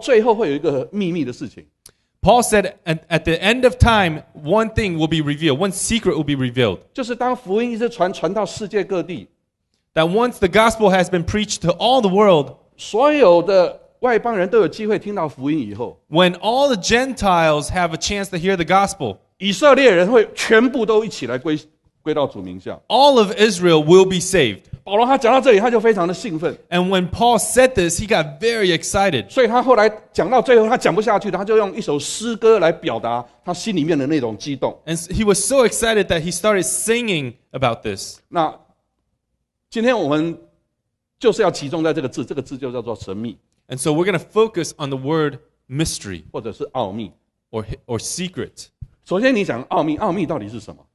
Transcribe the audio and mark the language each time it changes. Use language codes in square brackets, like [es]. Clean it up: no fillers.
[zh] 保罗说在这个世界上到最后会有一个秘密的事情。 [en] Paul said, at the end of time, one thing will be revealed, one secret will be revealed. [zh] 就是当福音一直传到世界各地, [en] that once the gospel has been preached to all the world, [zh] 所有的外邦人都有机会听到福音以后, [en] when all the Gentiles have a chance to hear the gospel, [zh] 以色列人会全部都一起来归到主名下, [en] all of Israel will be saved. [zh] 保罗他讲到这里, 他就非常的兴奋, [en] and when Paul said this, he got very excited. [zh] 所以他后来讲到最后, 他讲不下去, 他就用一首诗歌来表达他心里面的那种激动。 [en] And he was so excited that he started singing about this. [zh] 那, 今天我们就是要集中在这个字, 这个字就叫做神秘。 [en] And so we're going to focus on the word mystery, [zh] 或者是奥秘, [en] or secret. [zh] 首先你讲奥秘, 奥秘到底是什么?